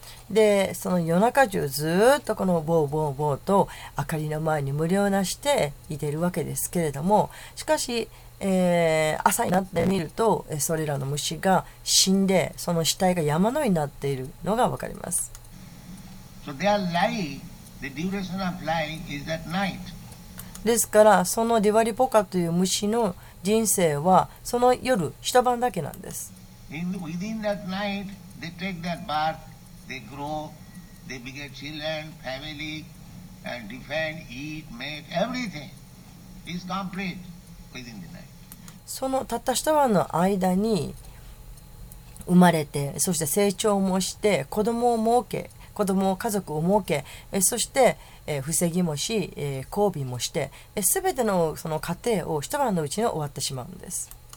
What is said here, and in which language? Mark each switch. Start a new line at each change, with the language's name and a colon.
Japanese: で、その夜中中ずっとこのボーボーボーと明かりの前に群れをなしていてるわけですけれども、しかし、朝になってみるとそれらの虫が死んで、その死体が山のようになっているのがわかります。
English: So their life, the duration of life is that night.
Japanese: ですから、そのディワリポカという虫の人生はその夜、一晩だけなんです。
English: Within that night, they take that bath, they grow, they begin children, family, and defend, eat, mate, everything is complete within the night.
Japanese: そのたった一晩の間に生まれて、そして成長もして、子供を設け、子供を家族を設け、そして防ぎもし、交尾もして、すべてのその過程を一晩のうちに終わってしまうんです。